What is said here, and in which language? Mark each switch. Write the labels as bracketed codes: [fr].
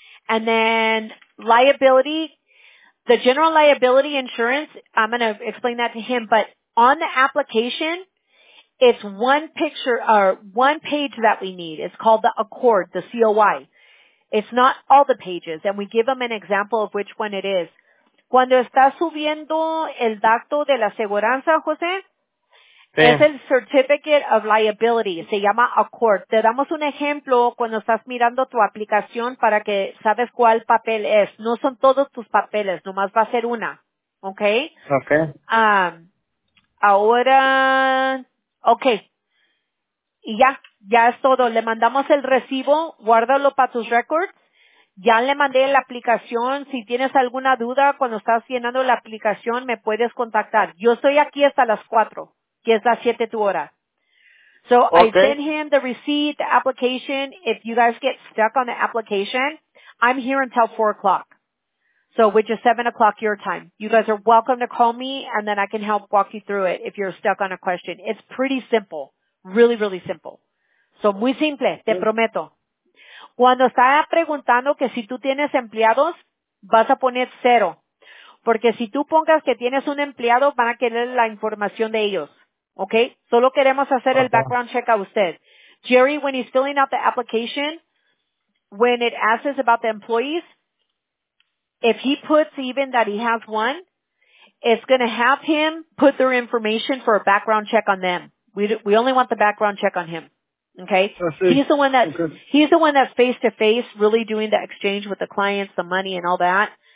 [en] And then liability, the general liability insurance, I'm going to explain that to him, but on the application, it's one picture or one page that we need. It's called the Accord, the COI. It's not all the pages, and we give them an example of which one it is. [es] Cuando está subiendo el dato de la aseguranza, José, sí. Es el Certificate of Liability. Se llama Accord. Te damos un ejemplo cuando estás mirando tu aplicación para que sabes cuál papel es. No son todos tus papeles, nomás va a ser una. Okay? Okay. Ahora... Okay. Y ya, ya es todo. Le mandamos el recibo, guárdalo para tus records. Ya le mandé la aplicación. Si tienes alguna duda cuando estás llenando la aplicación, me puedes contactar. Yo estoy aquí hasta las 4, que es las 7 tu hora. [en] So okay. I sent him the receipt, the application. If you guys get stuck on the application, I'm here until 4 o'clock. So which is 7 o'clock your time. You guys are welcome to call me, and then I can help walk you through it if you're stuck on a question. It's pretty simple. Really, really simple. So [es] muy simple, te prometo. Cuando está preguntando que si tú tienes empleados, vas a poner cero. Porque si tú pongas que tienes un empleado, van a querer la información de ellos. Okay? Solo queremos hacer el background check a usted. [en] Jerry, when he's filling out the application, when it asks about the employees, if he puts even that he has one, it's going to have him put their information for a background check on them. We only want the background check on him, okay? He's the one that he's the one that's face-to-face really doing the exchange with the clients, the money, and all that.